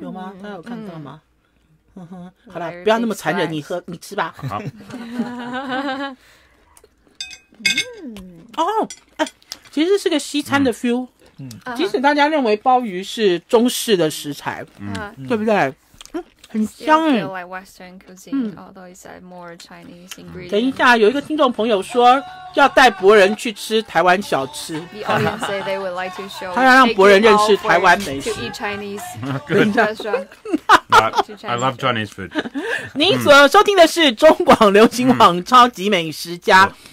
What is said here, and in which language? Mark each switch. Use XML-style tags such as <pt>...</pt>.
<zh>有吗，大家有看到吗、嗯嗯、好了，不要那么残忍，你喝你吃吧，好嗯，哦，哎、其实是个西餐的 feel， 即使大家认为鲍鱼是中式的食材，对不对？很香哎、</zh> <en>like Western cuisine, although it's a more Chinese ingredient.</en> <zh>等一下，有一个听众朋友说要带博人去吃台湾小吃，他要让博人认识台湾美食。等一下说。</zh> <en>I love Chinese food.</en> <zh>你所收听的是中广流行网超级美食家。</zh>